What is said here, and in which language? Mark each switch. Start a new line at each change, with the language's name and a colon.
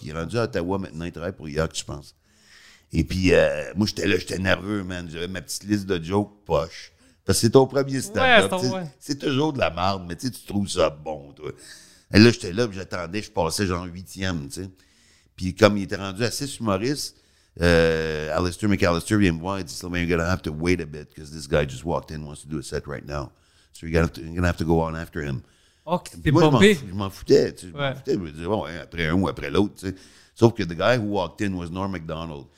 French: Il est rendu à Ottawa maintenant, il travaille pour York, je pense. Et puis moi, j'étais là, j'étais nerveux, man. J'avais ma petite liste de jokes poche. Parce que c'est ton premier stand-up. Ouais, c'est toujours de la merde, mais tu trouves ça bon, toi. Et là, j'étais là, puis j'attendais, je passais genre 8e, tu sais. Puis comme il était rendu à 6 humoristes,
English: Alistair McAllister vient me voir et dit, Sylvain, you're going to have to wait a bit because this guy just walked in and wants to do a set right now. So you're going to have to go on after him.
French: Ok, t'es pompé. Je m'en foutais. Je me disais, bon, après un ou après l'autre, tu sais.
English: Sauf que the guy who walked in was Norm MacDonald.